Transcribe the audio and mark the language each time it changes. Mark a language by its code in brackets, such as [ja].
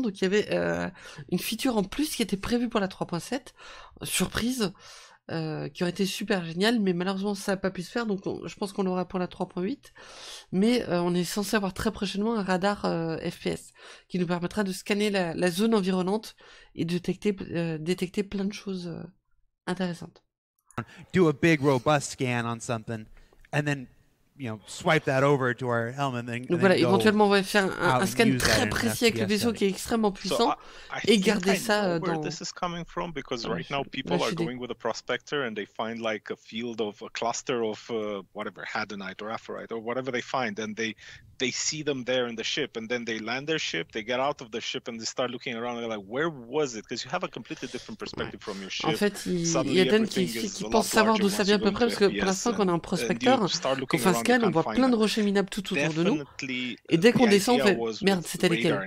[fr] Donc il y avait une feature en plus qui était prévue pour la 3.7, surprise, qui aurait été super géniale, mais malheureusement ça n'a pas pu se faire, donc je pense qu'on l'aura pour la 3.8. Mais on est censé avoir très prochainement un radar FPS qui nous permettra de scanner la zone environnante et de détecter plein de choses intéressantes. [en] Do a big robust scan on something and then you know swipe that over to our helmet and then [fr] voilà, [en] go [fr] éventuellement on va faire un scan très précis avec le vaisseau qui est extrêmement puissant et garder ça dans [en] this is coming from because right now people are going with a prospector and they find like a field of a cluster of whatever hadronite or aphorite or whatever they find and they see them there in the ship and then they land their ship, they get out of the ship and they start looking around and they're like, where was it? Because you have a completely different perspective from your ship. [fr] En fait, il y a Dan qui pense savoir d'où ça vient à peu près, parce que pour l'instant qu'on a un prospecteur, qu'on fait un scan, on voit plein de rochers minables tout autour de nous, et dès qu'on descend, on fait, merde, c'était lesquels?